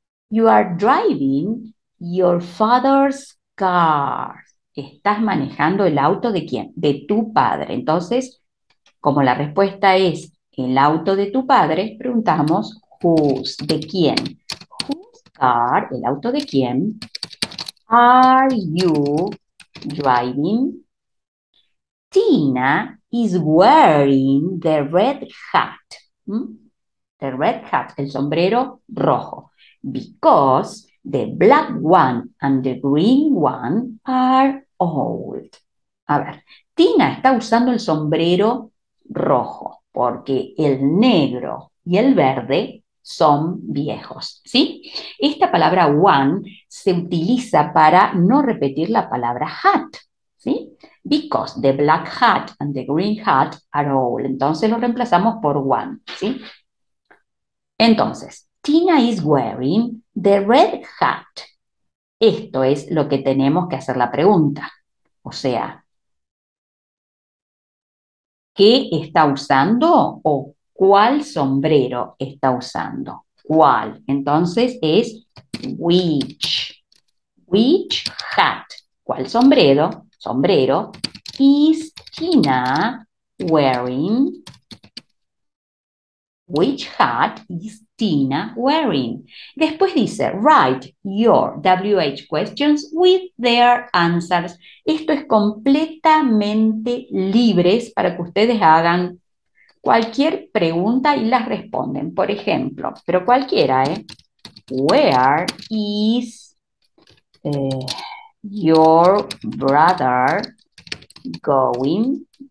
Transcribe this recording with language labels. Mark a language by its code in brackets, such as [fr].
[en] You are driving your father's car. [es] Estás manejando el auto ¿de quién? De tu padre. Entonces, como la respuesta es el auto de tu padre, preguntamos, whose, ¿de quién? [en] Whose car, [es] el auto de quién, [en] are you driving? Tina is wearing the red hat. The red hat, [es] el sombrero rojo. [en] Because the black one and the green one are old. [es] A ver, Tina está usando el sombrero rojo. Porque el negro y el verde son viejos, ¿sí? Esta palabra one se utiliza para no repetir la palabra hat, ¿sí? [en] Because the black hat and the green hat are old. [es] Entonces lo reemplazamos por one, ¿sí? Entonces, [en] Tina is wearing the red hat. [es] Esto es lo que tenemos que hacer la pregunta. O sea, ¿qué está usando o cuál sombrero está usando? ¿Cuál? Entonces es which. [en] Which hat? [es] ¿Cuál sombrero? Sombrero. [en] Is Tina wearing? Which hat is Tina wearing? [es] Después dice, [en] write your WH questions with their answers. [es] Esto es completamente libres para que ustedes hagan cualquier pregunta y las responden. Por ejemplo, pero cualquiera, ¿eh? [en] Where is your brother going.